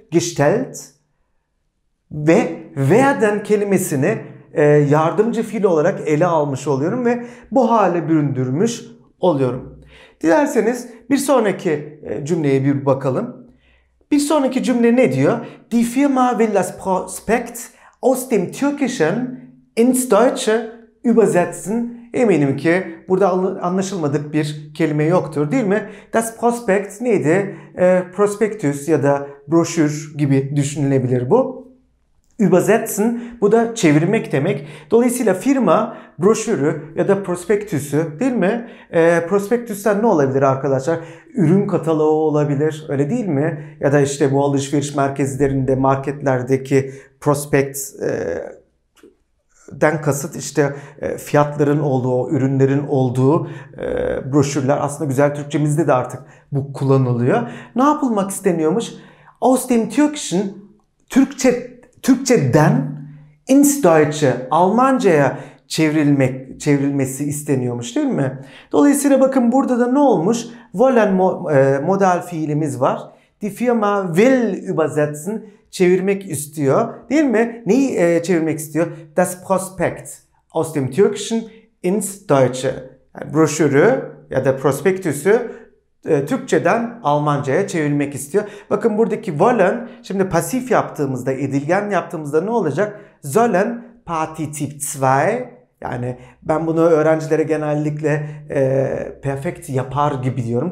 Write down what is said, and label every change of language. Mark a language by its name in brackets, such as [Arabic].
[Turkish] Gestellt ve werden kelimesini yardımcı fiil olarak ele almış oluyorum ve bu hale büründürmüş oluyorum. Dilerseniz bir sonraki cümleye bir bakalım. Bir sonraki cümle ne diyor? [German] Die Firma will das Prospekt aus dem Türkischen ins Deutsche übersetzen. [Turkish] Eminim ki burada anlaşılmadık bir kelime yoktur, değil mi? Das Prospekt neydi? Prospektüs ya da broşür gibi düşünülebilir bu. Übersetzen, bu da çevirmek demek. Dolayısıyla firma broşürü ya da prospektüsü, değil mi? Prospektüsten ne olabilir arkadaşlar? Ürün kataloğu olabilir, öyle değil mi? Ya da işte bu alışveriş merkezlerinde, marketlerdeki prospektten kasıt işte fiyatların olduğu, ürünlerin olduğu broşürler. Aslında güzel Türkçemizde de artık bu kullanılıyor. Ne yapılmak isteniyormuş? [German] Aus dem Türkischen, [Turkish] Türkçeden [German] ins Deutsche, [Turkish] Almanca'ya çevrilmesi isteniyormuş, değil mi? Dolayısıyla bakın burada da ne olmuş? Wollen modal fiilimiz var. [German] Die Firma will übersetzen, [Turkish] çevirmek istiyor, değil mi? Neyi çevirmek istiyor? [German] Das Prospekt aus dem Türkischen ins Deutsche. [Turkish] Yani broşürü ya da prospektüsü Türkçeden Almanca'ya çevirmek istiyor. Bakın buradaki wollen, şimdi pasif yaptığımızda, edilgen yaptığımızda ne olacak? Sollen Partizip 2. Yani ben bunu öğrencilere genellikle perfect yapar gibi diyorum.